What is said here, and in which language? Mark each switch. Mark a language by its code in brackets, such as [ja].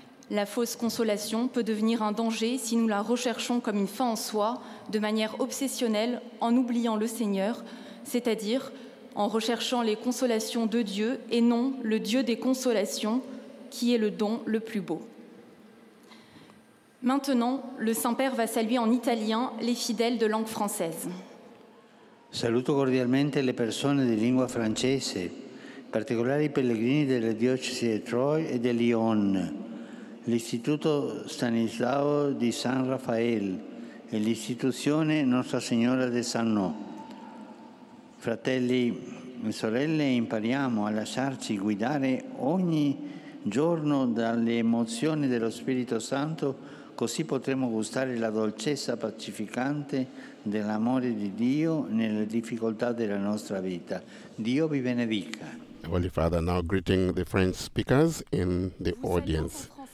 [fr] La fausse consolation peut devenir un danger si nous la recherchons comme une fin en soi, de manière obsessionnelle, en oubliant le Seigneur, c'est-à-dire en recherchant les consolations de Dieu et non le Dieu des consolations, qui est le don le plus beau. Maintenant, le Saint-Père va saluer en italien les fidèles de langue française. [it] Saluto cordialmente le persone di lingua francese particolari pellegrini delle diocesi di Troyes e di Lyon, l'Istituto Stanislao di San Raffaele e l'Istituzione Nostra Signora de Sannò. Fratelli e sorelle, impariamo a lasciarci guidare ogni giorno dalle emozioni dello Spirito Santo, così potremo gustare la dolcezza pacificante dell'amore di Dio nelle difficoltà della nostra vita. Dio vi benedica. [en] Holy Father, now greeting the French speakers in the audience.